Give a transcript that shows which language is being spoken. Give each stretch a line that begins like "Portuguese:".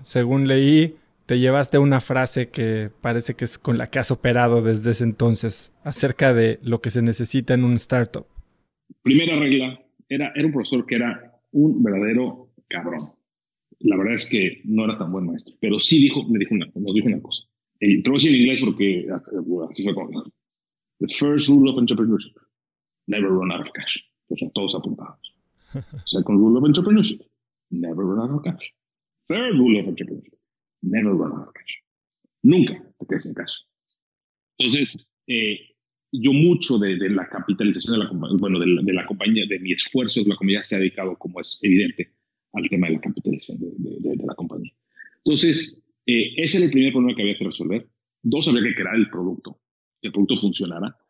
Spanish: Según leí, te llevaste una frase que parece que es con la que has operado desde ese entonces acerca de lo que se necesita en un startup. Primera regla, era un profesor que era un verdadero cabrón. La verdad es que no era tan buen maestro, pero sí nos dijo una cosa. Te lo voy a decir en inglés porque así fue como.
English: The first rule of entrepreneurship, never run out of cash.
Spanish: O sea, todos apuntados.
English: Second rule of entrepreneurship, never run out of cash. Third rule of entrepreneurship, never run out of cash.
Spanish: Nunca te quedes sin cash. Entonces, yo mucho de la capitalización de la compañía, bueno, de la compañía, de mi esfuerzo, la compañía se ha dedicado, como es evidente, al tema de la capitalización de la compañía. Entonces, ese era el primer problema que había que resolver. Dos, había que crear el producto funcionara.